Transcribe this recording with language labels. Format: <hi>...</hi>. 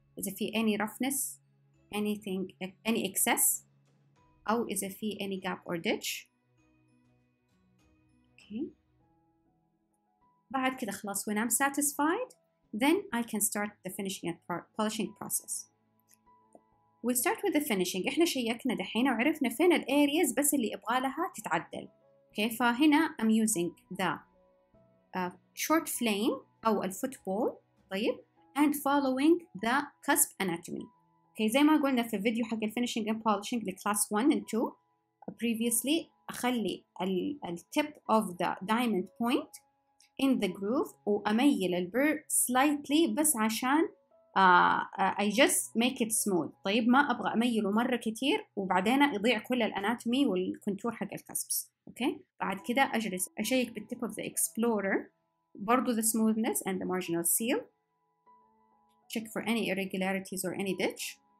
<en>Is there any roughness, anything, any excess? Or is there any gap or ditch? Okay.</en> <ar>بعد كده خلاص,</ar> <en>when I'm satisfied, then I can start the finishing and polishing process. We'll start with the finishing.</en> <ar>إحنا شيكنا دحين وعرفنا فين ال areas بس اللي أبغى لها تتعدل.</ar> <en>Okay, فهنا I'm using the short flame</en> <ar>أو الفوتبول, طيب,</ar> <en>and following the cusp anatomy. Okay,</en> <ar>زي ما قلنا في فيديو حق الفينشينج</ar> <en>and polishing لكلاس 1 and 2 previously,</en> <ar>أخلي ال</ar> <en>tip of the diamond point in the groove</en> <ar>وأميل البر</ar> <en>slightly</en> <ar>بس عشان</ar> <en>I just make it smooth.</en> <ar>طيب ما أبغى أميله مرة كتير وبعدين يضيع كل الأناتومي والكنتور حق الكسبس. أوكي, بعد كده أجلس أشيك</ar> <en>بالtip of the explorer برضو the smoothness and the marginal seal, check for any irregularities or any ditch.</en>